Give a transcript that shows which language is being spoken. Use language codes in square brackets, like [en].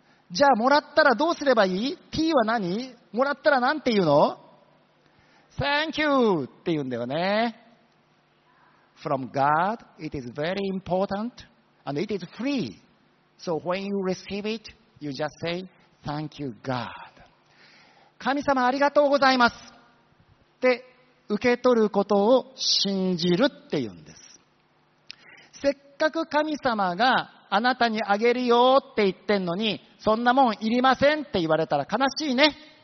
[ja] じゃあもらったらどうすればいい？T は何？もらったらなんて言うの？ Thank you って言うんだよね。 [en] From God it is very important and it is free, so when you receive it you just say Thank you God。 [ja] 神様ありがとうございますって受け取ることを信じるっていうんです。せっかく神様があなたにあげるよって言ってんのに、そんなもんいりませんって言われたら悲しいね。